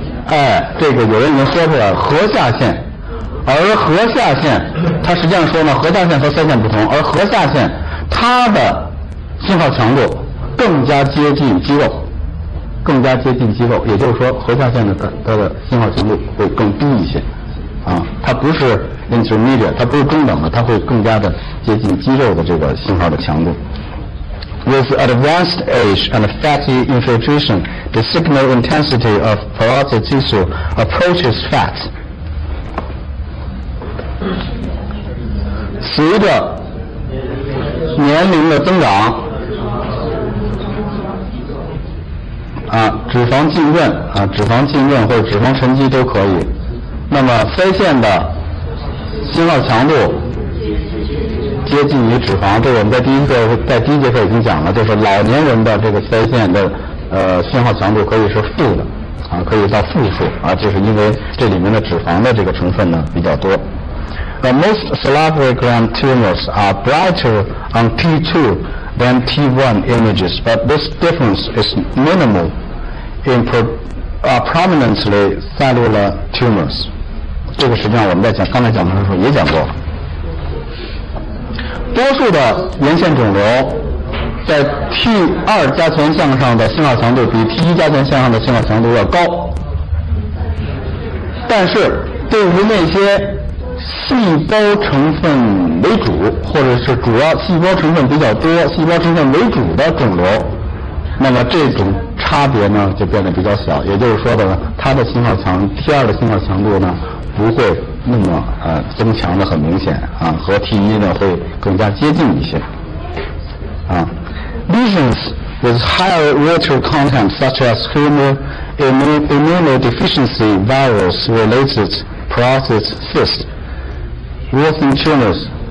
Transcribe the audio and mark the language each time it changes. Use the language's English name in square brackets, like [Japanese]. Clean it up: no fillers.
[Chinese] 哎，这个有人已经说出来了，颌下腺，而颌下腺它实际上说呢，颌下腺和腮腺不同，而颌下腺它的信号强度更加接近肌肉，更加接近肌肉，也就是说颌下腺的它的信号强度会更低一些啊，它不是 intermediate， 它不是中等的，它会更加的接近肌肉的这个信号的强度。 [English] With advanced age and fatty infiltration, the signal intensity of parotid tissue approaches fat. [Chinese] 随着年龄的增长，啊，脂肪浸润啊，脂肪浸润或者脂肪沉积都可以。那么腮腺的信号强度接近于脂肪，这个我们在第一节课已经讲了，就是老年人的这个腮腺的信号强度可以是负的啊，可以到负数啊，就是因为这里面的脂肪的这个成分呢比较多。 [English] Most salivary gland tumors are brighter on T2 than T1 images, but this difference is minimal in prominently cellular tumors. [Chinese] 这个实际上我们在讲刚才讲的时候也讲过。多数的沿线肿瘤在 T2 加权项上的信号强度比 T1 加权项上的信号强度要高，但是对于那些细胞成分为主或者是主要细胞成分比较多、细胞成分为主的肿瘤，那么这种差别呢就变得比较小，也就是说的它的信号强 T2 的信号强度呢不会那么增强的很明显啊，和 T1 呢会更加接近一些啊。 [English] Lesions with higher water content such as human immunodeficiency virus related parotid cyst, Wilson tumors,